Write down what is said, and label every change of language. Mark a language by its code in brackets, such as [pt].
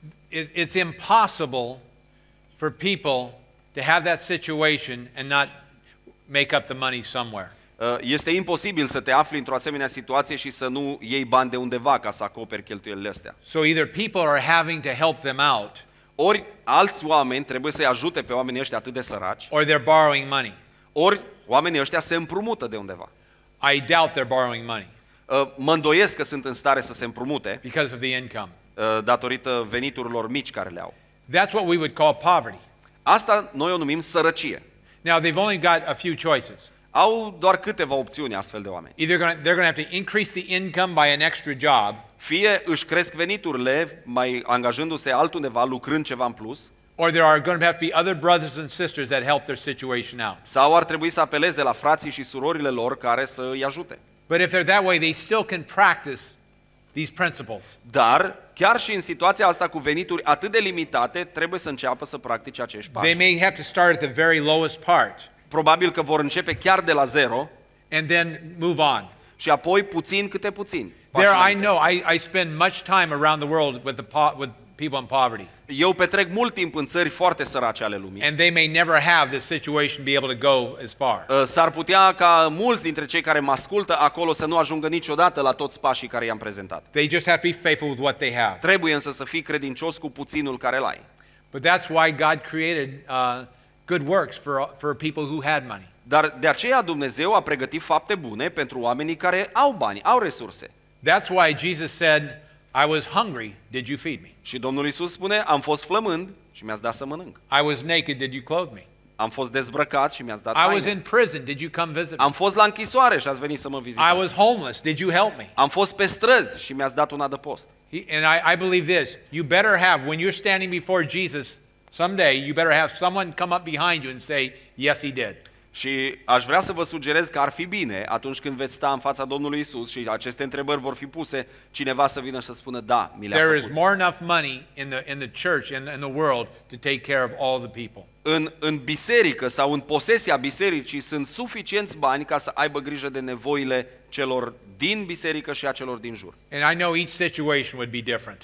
[en] It's impossible for people to have that situation and not make up the money somewhere. [ro] Este imposibil să te afli într-o asemenea situație și să nu iei bani de undeva ca să acoperi cheltuielile astea. [en] So either people are having to help them out, [ro] ori alți oameni trebuie să-i ajute pe oamenii ăștia atât de săraci, [en] or they're borrowing money. [ro] Ori oamenii ăștia se împrumută de undeva. [en] I doubt they're borrowing money. [ro] Mă îndoiesc că sunt în stare să se împrumute [en] because of the income. [ro] Datorită veniturilor mici care le au. [en] That's what we would call poverty. [ro] Asta noi o numim sărăcie. [en] Now they've only got a few choices. [ro] Au doar câteva opțiuni astfel de oameni. [en] Either they're going to have to increase the income by an extra job. [ro] Fie își cresc veniturile mai angajându-se altundeva, lucrând ceva în plus. [en] Or there are going to have to be other brothers and sisters that help their situation out. [ro] Sau ar trebui să apeleze la frații și surorile lor care să îi ajute. [en] But if they're that way, they still can practice these principles. [ro] Dar chiar și în situația asta cu venituri atât de limitate, trebuie să înceapă să practice acești pași. [en] They may have to start at the very lowest part. [ro] Probabil că vor începe chiar de la zero. [en] And then move on. [ro] Și apoi puțin câte puțin. [en] There I know I spend much time around the world with people in poverty. [ro] Eu petrec mult timp în țări foarte sărace ale lumii. [en] And they may never have the situation be able to go as far. [ro] S-ar putea ca mulți dintre cei care mă ascultă acolo să nu ajungă niciodată la toți pașii care i-am prezentat. [en] They just have to be faithful with what they have. [ro] Trebuie însă să fii credincios cu puținul care l-ai. [en] But that's why God created good works for people who had money. [ro] Dar de aceea Dumnezeu a pregătit fapte bune pentru oamenii care au bani, au resurse. [en] That's why Jesus said, I was hungry, did you feed me? [ro] Și Domnul Iisus spune, am fost flămând și mi-ați dat să mănânc. [en] I was naked, did you clothe me? [ro] Am fost dezbrăcat și mi-ați dat haine. [en] I was in prison, did you come visit me? [ro] Am fost la închisoare și ați venit să mă vizitați. [en] I was homeless, did you help me? [ro] Am fost pe străzi și mi-ați dat un adăpost. [en] And I believe this, you better have, when you're standing before Jesus someday, you better have someone come up behind you and say, yes, he did. [ro] Și aș vrea să vă sugerez că ar fi bine atunci când veți sta în fața Domnului Iisus și aceste întrebări vor fi puse, cineva să vină și să spună da, mi le-a făcut. [en] There is more enough money in the church and in the world to take care of all the people. [ro] În biserică sau în posesia bisericii sunt suficienți bani ca să aibă grijă de nevoile celor din biserică și a celor din jur. [en] And I know each situation would be different.